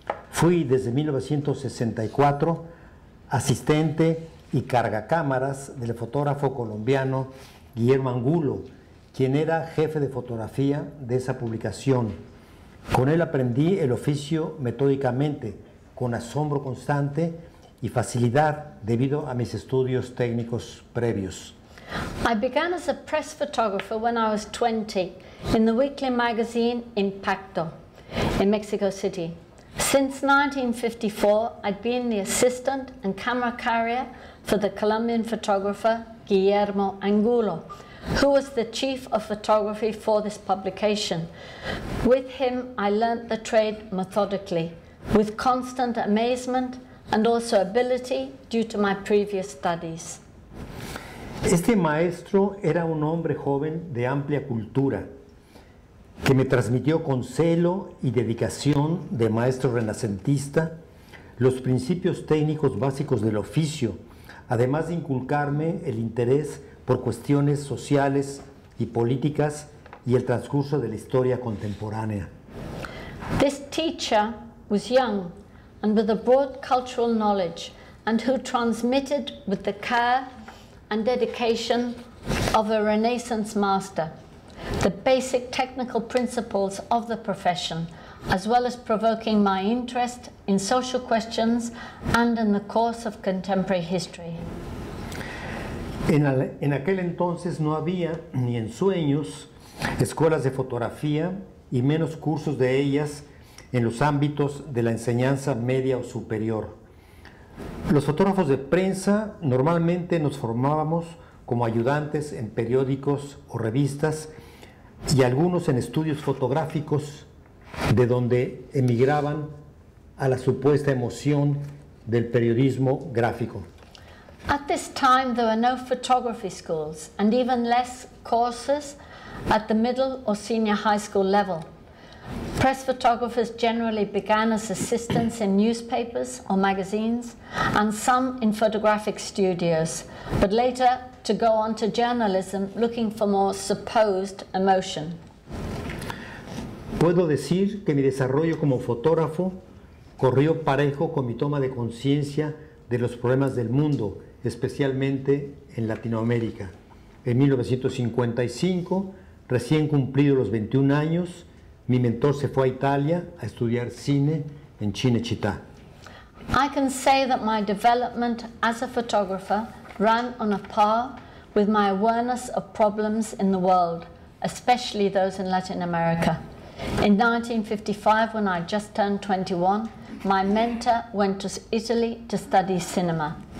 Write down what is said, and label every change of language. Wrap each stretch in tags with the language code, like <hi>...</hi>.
<es>Fui desde 1964 asistente y cargacámaras del fotógrafo colombiano Guillermo Angulo, quien era jefe de fotografía de esa publicación. Con él aprendí el oficio metódicamente, con asombro constante y facilidad debido a mis estudios técnicos previos.</es> <en>I began as a press photographer when I was 20 in the weekly magazine Impacto in Mexico City. Since 1954, I'd been the assistant and camera carrier for the Colombian photographer Guillermo Angulo, who was the chief of photography for this publication. With him, I learnt the trade methodically, with constant amazement and also ability due to my previous studies.</en> <es>Este maestro era un hombre joven de amplia cultura, que me transmitió con celo y dedicación de maestro renacentista los principios técnicos básicos del oficio, además de inculcarme el interés por cuestiones sociales y políticas y el transcurso de la historia contemporánea.</es> <en>This teacher was young and with a broad cultural knowledge, and who transmitted with the care and dedication of a Renaissance master the basic technical principles of the profession, as well as provoking my interest in social questions and in the course of contemporary history.</en> <es>En aquel entonces no había, ni en sueños, escuelas de fotografía y menos cursos de ellas en los ámbitos de la enseñanza media o superior. Los fotógrafos de prensa normalmente nos formábamos como ayudantes en periódicos o revistas y algunos en estudios fotográficos de donde emigraban a la supuesta emoción del periodismo gráfico.</es> <en>At this time, there were no photography schools and even less courses at the middle or senior high school level. Press photographers generally began as assistants in newspapers or magazines and some in photographic studios, but later to go on to journalism looking for more supposed emotion.</en> <es>Puedo decir que mi desarrollo como fotógrafo corrió parejo con mi toma de conciencia de los problemas del mundo, especialmente en Latinoamérica. En 1955, recién cumplido los 21 años, mi mentor se fue a Italia a estudiar cine en Cinecittà.</es> <en>I can say that my development as a photographer ran on a par with my awareness of problems in the world, especially those in Latin America. In 1955, when I just turned 21, my mentor went to Italy to study cinema.</en>